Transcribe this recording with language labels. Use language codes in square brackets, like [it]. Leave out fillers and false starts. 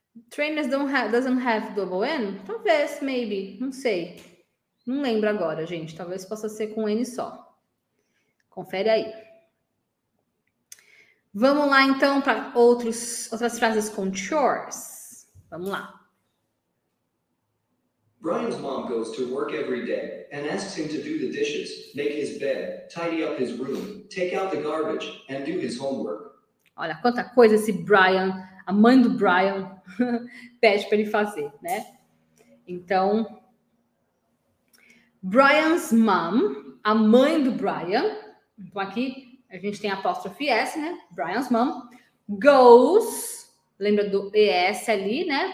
[en] Trainers doesn't have double N? [pt] Talvez, [en] maybe, [pt] não sei. Não lembro agora, gente. Talvez possa ser com N só. Confere aí. Vamos lá então para outras frases com chores. Vamos lá. [en] Brian's mom goes to work every day and asks him to do the dishes, make his bed, tidy up his room, take out the garbage and do his homework. [pt] Olha quanta coisa esse Brian, a mãe do Brian, pede para ele fazer, né? Então, [en] Brian's mom, [pt] a mãe do Brian, então aqui a gente tem apóstrofe S, né? [en] Brian's mom, goes, [pt] lembra do ES ali, né?